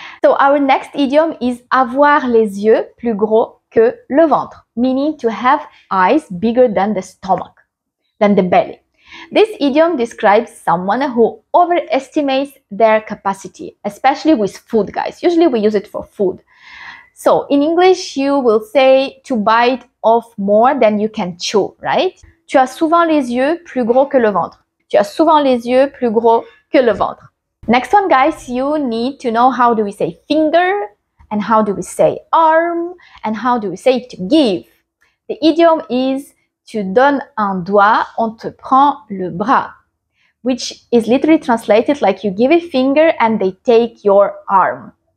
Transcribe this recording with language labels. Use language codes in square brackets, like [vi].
[en] So our next idiom is [fr] avoir les yeux plus gros que le ventre, [en] meaning to have eyes bigger than the stomach, than the belly. This idiom describes someone who overestimates their capacity, especially with food, guys. Usually we use it for food. So in English, you will say to bite off more than you can chew, right? [fr] Tu as souvent les yeux plus gros que le ventre. Tu as souvent les yeux plus gros que le ventre. [en] Next one, guys, you need to know how do we say finger, and how do we say arm, and how do we say to give. The idiom is [fr] tu donnes un doigt, on te prend le bras, [en] which is literally translated like you give a finger and they take your arm.